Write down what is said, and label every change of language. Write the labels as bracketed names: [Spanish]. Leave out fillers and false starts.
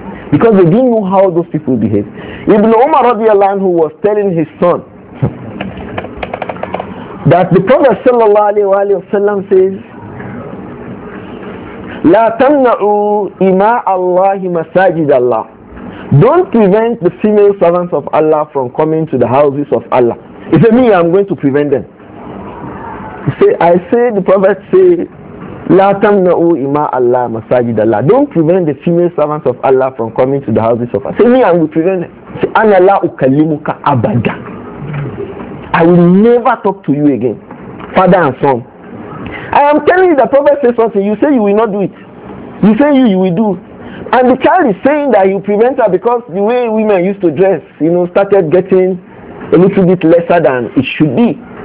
[English] Because they didn't know how those people behave. Ibn Umar radiallahu anhu was telling his son that the Prophet sallallahu alayhi wa sallam says, [Arabic] لا تمنعوا إماء الله مساجد الله. [English] Don't prevent the female servants of Allah from coming to the houses of Allah. He said, me, I'm going to prevent them. He said, I say, the Prophet said, [Arabic] لا تمنعوا إماء الله مساجد الله. [English] Don't prevent the female servants of Allah from coming to the houses of Allah. Say, me, I will prevent them. [Arabic] Say, أنا لا أكلمك أبدا. [English] I will never talk to you again. Father and son. I am telling you, the prophet says something. You say you will not do it. You say you will do. And the child is saying that you prevent her because the way women used to dress, you know, started getting a little bit lesser than it should be.